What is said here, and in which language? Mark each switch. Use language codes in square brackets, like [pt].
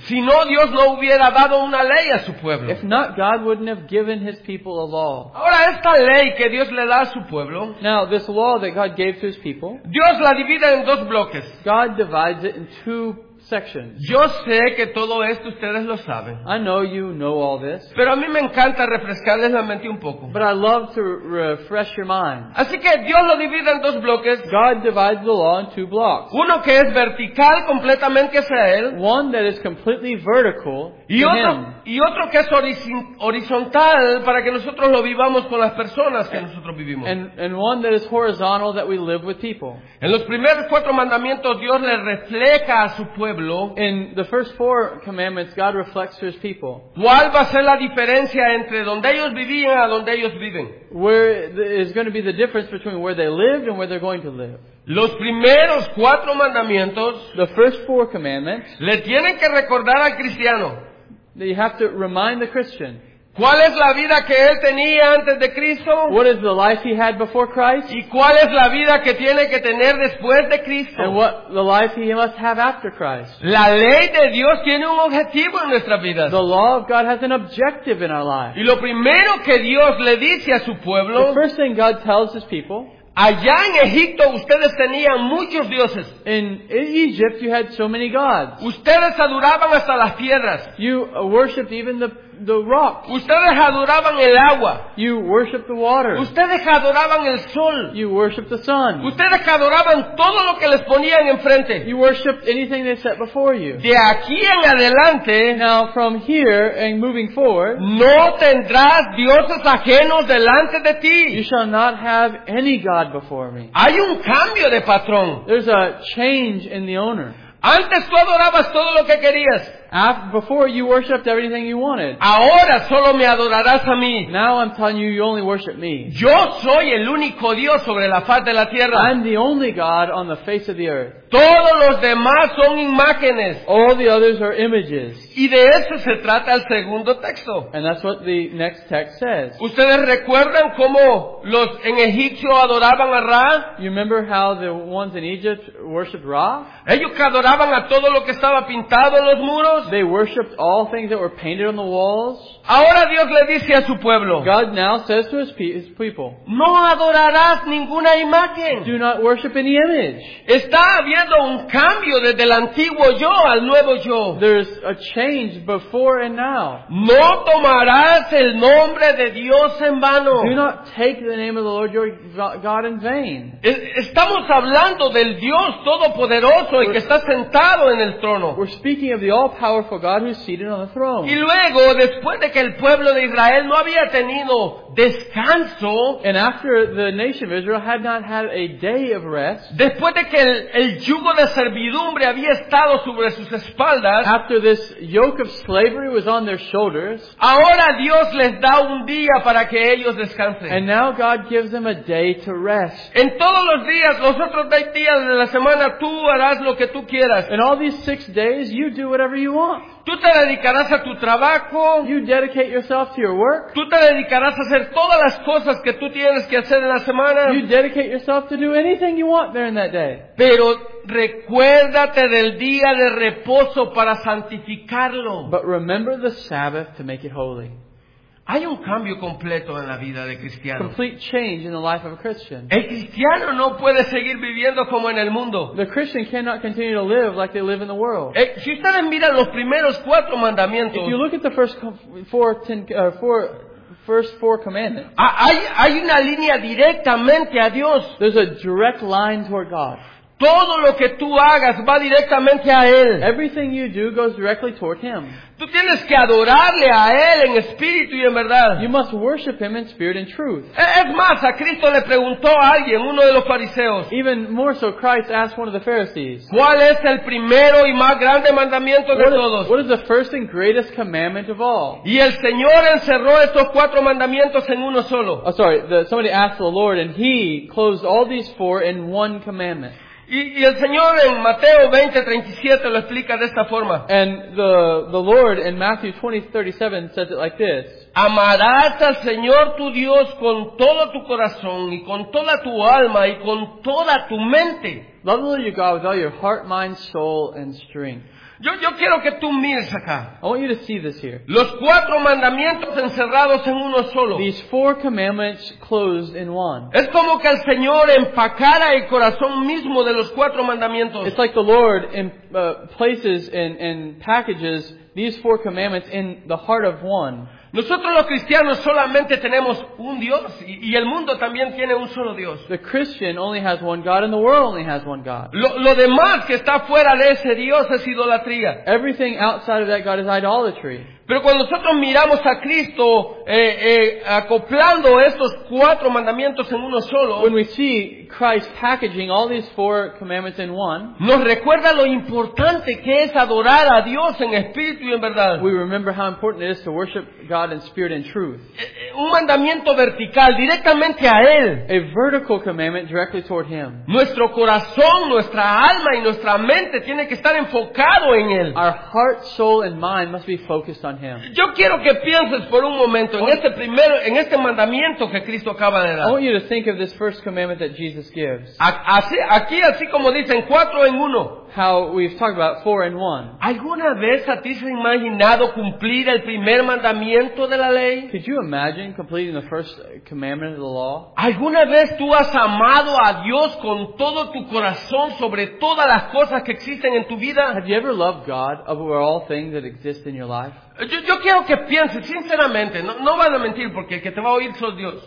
[es] Si no, Dios no hubiera dado una ley a su pueblo. [en] If not, God wouldn't have given his people a law. [es] Ahora, esta ley que Dios le da a su pueblo, [en] now, this law that God gave to his people, [es] Dios la divide en dos bloques. [en] God divides it in two sections. [es] Yo sé que todo esto ustedes lo saben. [en] I know you know all this. [es] Pero a mí me encanta refrescarles la mente un poco. [en] But I love to refresh your mind. [es] Así que Dios lo divide en dos bloques. [en] God divides the law in two blocks. [es] Uno que es vertical completamente hacia él. [en] One that is completely vertical. [es] Y otro que es horizontal para que nosotros lo vivamos con las personas que nosotros vivimos. [en] And one that is horizontal that we live with people. [es] En los primeros cuatro mandamientos Dios le refleja a su pueblo. [en] In the first four commandments, God reflects to his people. [es] ¿Cuál va a ser la diferencia entre donde ellos vivían a donde ellos viven? [en] Where is going to be the difference between where they lived and where they're going to live? [es] Los primeros cuatro mandamientos, [en] the first four commandments, [es] le tienen que recordar al cristiano. [en] They have to remind the Christian. [es] ¿Cuál es la vida que él tenía antes de Cristo? [en] What is the life he had before Christ? [es] ¿Y cuál es la vida que tiene que tener después de Cristo? [en] And what the life he must have after Christ? [es] La ley de Dios tiene un objetivo en nuestra vida. [en] The law of God has an objective in our life. [es] Y lo primero que Dios le dice a su pueblo, [en] the first thing God tells his people, [es] allá en Egipto ustedes tenían muchos dioses. [en] In Egypt you had so many gods. [es] Ustedes adoraban hasta las piedras. [en] You worshipped even the rocks. [es] Ustedes adoraban el agua. [en] You worshipped the water. [es] Ustedes adoraban el sol. [en] You worshipped the sun. [es] Ustedes adoraban todo lo que les ponían enfrente. [en] You worshipped anything they set before you. [es] De aquí en adelante, [en] now from here and moving forward, [es] no tendrás dioses ajenos delante de ti. [en] You shall not have any god before me. [es] Hay un cambio de patrón. [en] There's a change in the owner. [es] Antes tú adorabas todo lo que querías. [en] Before you worshipped everything you wanted. [es] Ahora solo me adorarás a mí. [en] Now I'm telling you, you only worship me. [es] Yo soy el único Dios sobre la faz de la tierra. [en] I'm the only God on the face of the earth. [es] Todos los demás son imágenes. [en] All the others are images. [es] Y de eso se trata el segundo texto. [en] And that's what the next text says. [es] ¿Ustedes recuerdan cómo los en Egipto adoraban a Ra? [en] You remember how the ones in Egypt worshipped Ra? [es] Ellos adoraban a todo lo que estaba pintado en los muros. [en] They worshipped all things that were painted on the walls. [es] Ahora Dios le dice a su pueblo, [en] God now says to his people, [es] no adorarás ninguna imagen. [en] Do not worship any image. [es] Está habiendo un cambio desde el antiguo yo al nuevo yo. [en] There's a change before and now. [es] No tomarás el nombre de Dios en vano. [en] Do not take the name of the Lord your God in vain. [es] Estamos hablando del Dios todopoderoso y que está sentado en el trono. [en] We're speaking of the all-powerful God who's seated on the throne. [es] Y luego, después de que el pueblo de Israel no había tenido descanso, [en] and after the nation of Israel had not had a day of rest, [es] después de que el yugo de servidumbre había estado sobre sus espaldas, [en] after this yoke of slavery was on their shoulders, [es] ahora Dios les da un día para que ellos descansen. [en] And now God gives them a day to rest. [es] En todos los días, los otros 10 días de la semana, tú harás lo que tú quieras. [en] In all these 6 days, you do whatever you want. [es] Tú te dedicarás a tu trabajo. [en] You dedicate yourself to your work. [es] Tú te dedicarás a hacer todas las cosas que tú tienes que hacer en la semana. [en] You dedicate yourself to do anything you want during that day. [es] Pero recuérdate del día de reposo para santificarlo. [en] But remember the Sabbath to make it holy. [es] Hay un cambio completo en la vida de cristiano. [en] Complete change in the life of a Christian. [es] El cristiano no puede seguir viviendo como en el mundo. [en] The Christian cannot continue to live like they live in the world. [es] Si ustedes miran los primeros cuatro mandamientos. [en] If you look at the first four commandments. [es] Hay una línea directamente a Dios. [en] There's a direct line toward God. [es] Todo lo que tú hagas va directamente a Él. [en] Everything you do goes directly toward Him. [es] Tú tienes que adorarle a Él en espíritu y en verdad. [en] You must worship Him in spirit and truth. [es] Es más, a Cristo le preguntó a alguien, uno de los fariseos. [en] Even more so, Christ asked one of the Pharisees. [es] ¿Cuál es el primero y más grande mandamiento de todos? [en] What is the first and greatest commandment of all? [es] Y el Señor encerró estos cuatro mandamientos en uno solo. [en] Oh, sorry, somebody asked the Lord and He closed all these four in one commandment. [es] Y el Señor en Mateo 20:37 lo explica de esta forma. [en] And the Lord in Matthew 20:37 says it like this. [es] Amarás al Señor tu Dios con todo tu corazón y con toda tu alma y con toda tu mente. [en] Love the Lord your God with all your heart, mind, soul, and strength. [es] Yo quiero que tú mires acá. [en] I want you to see this here. [es] Los cuatro mandamientos encerrados en uno solo. [en] These four commandments closed in one. [es] Es como que el Señor empacara el corazón mismo de los cuatro mandamientos. [en] It's like the Lord places and packages these four commandments in the heart of one. [es] Nosotros los cristianos solamente tenemos un Dios y el mundo también tiene un solo Dios. [en] The Christian only has one God and the world only has one God. [es] Lo demás que está fuera de ese Dios es idolatría. [en] Everything outside of that God is idolatry. [es] Pero cuando nosotros miramos a Cristo acoplando estos cuatro mandamientos en uno solo, [en] when we see Christ packaging all these four commandments in one, [es] nos recuerda lo importante que es adorar a Dios en espíritu y en verdad. [en] We remember how important it is to worship God in spirit and truth. [es] Un mandamiento vertical directamente a Él. [en] A vertical commandment directly toward Him. [es] Nuestro corazón, nuestra alma y nuestra mente tiene que estar enfocado en Él. [en] Our heart, soul, and mind must be focused. [es] Yo quiero que pienses por un momento en este mandamiento que Cristo acaba de dar. [en] I want you to think of this first commandment that Jesus gives. [es] Así como dicen cuatro en uno. [en] How we've talked about four in one. [es] ¿Alguna vez a ti se ha imaginado cumplir el primer mandamiento de la ley? [en] Could you imagine completing the first commandment of the law? [es] ¿Alguna vez tú has amado a Dios con todo tu corazón sobre todas las cosas que existen en tu vida? [en] Have you ever loved God over all things that exist in your life? [es] Yo quiero que pienses sinceramente, no van a mentir porque el que te va a oír solo Dios.